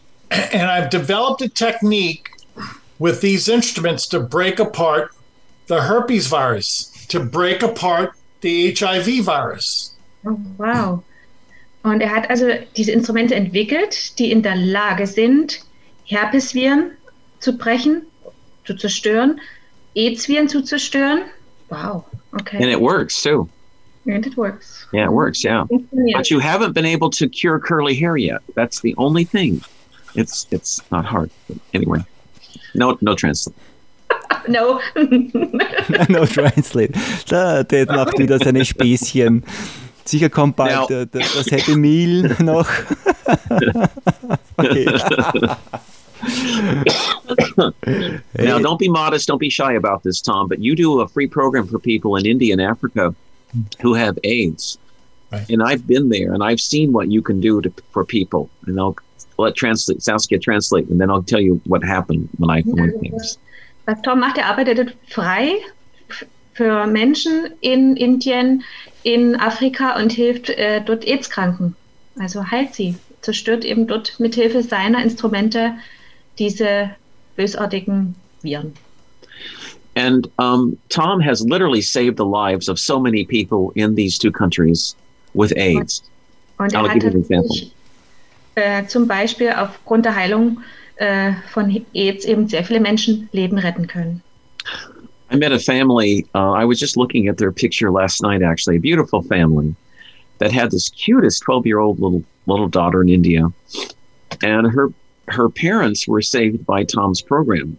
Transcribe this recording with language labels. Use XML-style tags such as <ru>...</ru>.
<en>And I've developed a technique with these instruments to break apart the herpes virus, to break apart the HIV virus. Oh, wow.</en> <de>Und er hat also diese Instrumente entwickelt, die in der Lage sind, Herpesviren zu brechen, zu zerstören, AIDS-Viren zu zerstören.</de> <en>Wow, okay. And it works, too. And it works. Yeah, it works, yeah. But you haven't been able to cure curly hair yet. That's the only thing. It's not hard. But anyway, no translate. No. No translate.</en> <de>Der macht wieder seine Späßchen. Sicher kommt bald das Happy Meal noch.</de> <en>Okay. Now, don't be modest, don't be shy about this, Tom, but you do a free program for people in India and Africa who have AIDS. Right. And I've been there, and I've seen what you can do for people. And I'll let Saskia translate, and then I'll tell you what happened when I went there.</en> <de>Was Tom macht, er arbeitet frei für Menschen in Indien, in Afrika und hilft dort AIDS-Kranken. Also heilt sie, zerstört eben dort mithilfe seiner Instrumente diese bösartigen Viren.</de> <en>And Tom has literally saved the lives of so many people in these two countries with AIDS.</en> <de>Und er hat zum Beispiel aufgrund der Heilung von AIDS eben sehr viele Menschen Leben retten können.</de> <en>I met a family. I was just looking at their picture last night, actually. A beautiful family that had this cutest 12-year-old little daughter in India. And her parents were saved by Tom's program.</en>